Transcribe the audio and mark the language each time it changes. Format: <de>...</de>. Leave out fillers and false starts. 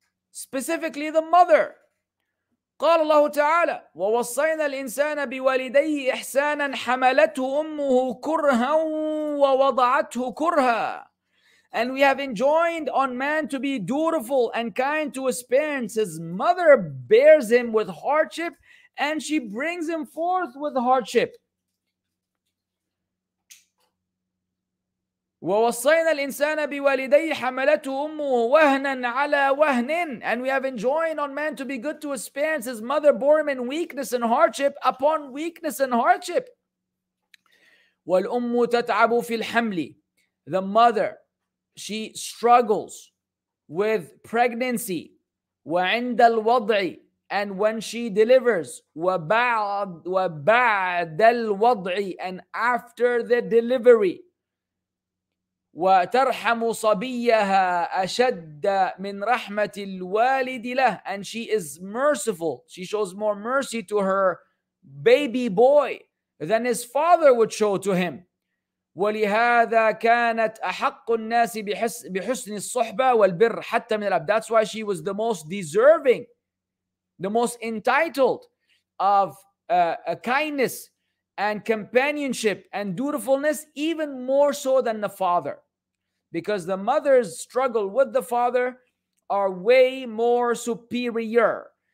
<en>Specifically the mother.</en> <ar>قال الله تعالى ووصينا الإنسان بوالديه إحسانا حملته أمه كرها ووضعته كرها.</ar> <en>And we have enjoined on man to be dutiful and kind to his parents. His mother bears him with hardship and she brings him forth with hardship.</en> <ar>وَوَصَّيْنَا الْإِنسَانَ بِوَالِدَيْهِ حَمَلَتُهُ أُمُّهُ وَهْنًا عَلَى وَهْنٍ.</ar> <en>And we have enjoined on man to be good to his parents. His mother bore him in weakness and hardship upon weakness and hardship.</en> <ar>وَالْأُمُّ تَتْعَبُ فِي الْحَمْلِ.</ar> <en>The mother, she struggles with pregnancy.</en> <ar>وَعِنْدَ الْوَضْعِ.</ar> <en>And when she delivers.</en> <ar>وَبَعْدَ الْوَضْعِ.</ar> <en>And after the delivery.</en> <ar>وَتَرْحَمُ صَبِيَّهَا أَشَدَّ مِنْ رَحْمَةِ الْوَالِدِ لَهُ.</ar> <en>And she is merciful. She shows more mercy to her baby boy than his father would show to him.</en> <ar>ولهذا كانت أحق الناس بحسن الصحبة والبر حتى من الأب.</ar> <en>That's why she was the most deserving, the most entitled of a kindness and companionship and dutifulness, even more so than the father. Because the mother's struggle with the father are way more superior.</en>